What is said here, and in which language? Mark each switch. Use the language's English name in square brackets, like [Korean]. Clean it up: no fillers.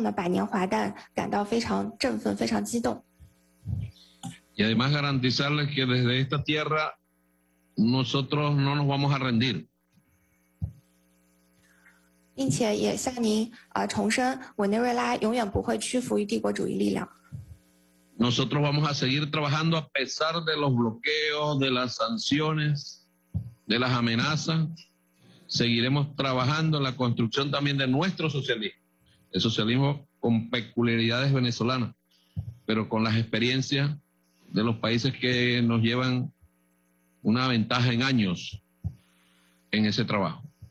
[Chinese] 我也想代表委内瑞拉人民向中国人民致以问候。我们的马杜罗总统也为中共的百年华诞感到非常振奋，非常激动。 [Spanish] Y además garantizarles que desde esta tierra nosotros no nos vamos a rendir. [Chinese] 并且也向您重申，委内瑞拉永远不会屈服于帝国主义力量。 [Spanish] Nosotros vamos a seguir trabajando a pesar de los bloqueos, de las sanciones, de las amenazas, seguiremos trabajando en la construcción también de nuestro socialismo, el socialismo con peculiaridades venezolanas, pero con las experiencias de los países que nos llevan una ventaja en años en ese trabajo.